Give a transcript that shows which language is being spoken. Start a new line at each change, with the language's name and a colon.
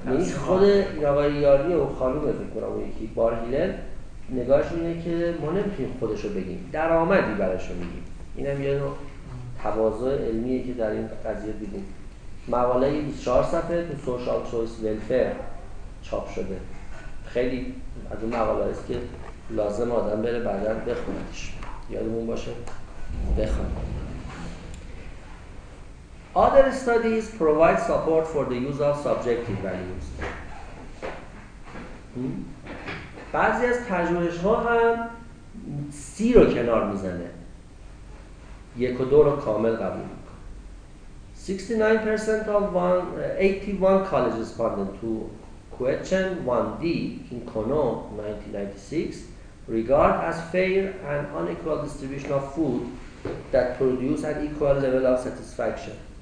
Persian: بر. یعنی خود یاری یاریه و خانومه بکنم اون یکی بارهیله نگاهش اینه که ما نمیتونیم خودش رو بگیم، درآمدی برش رو میگیم. اینم یه نوع تواضع علمیه که در این قضیه دیدیم. مقاله 24 صفحه تو سوشال چویس ویلفر چاپ شده. خیلی از اون مقاله هست که لازم آدم بره بعدا بخونتش، یادمون باشه بخونه.
English: Other studies provide support for the use of subjective values.
Persian: بعضی از پژوهش‌ها هم سی رو کنار میزنه، یک و دو رو کامل قبول میکنه.
English: 69% of 81 college respondents to question 1D in Kono 1996 regard as fair an unequal distribution of food that produce an equal level of satisfaction.